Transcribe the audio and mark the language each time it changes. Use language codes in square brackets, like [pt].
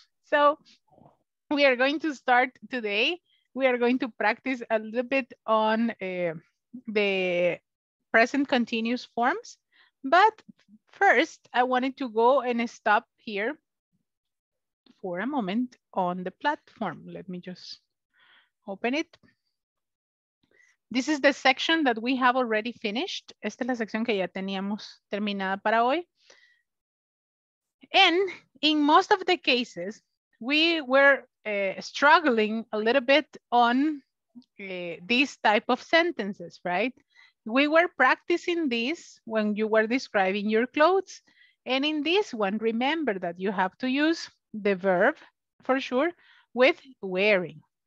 [en] So we are going to start today. We are going to practice a little bit on the present continuous forms. But first, I wanted to go and stop here for a moment on the platform. Let me just open it. This is the section that we have already finished. [es] Esta es la sección que ya teníamos terminada para hoy. [en] And in most of the cases, we were struggling a little bit on these type of sentences, right? We were practicing this when you were describing your clothes. And in this one, remember that you have to use the verb for sure with wearing.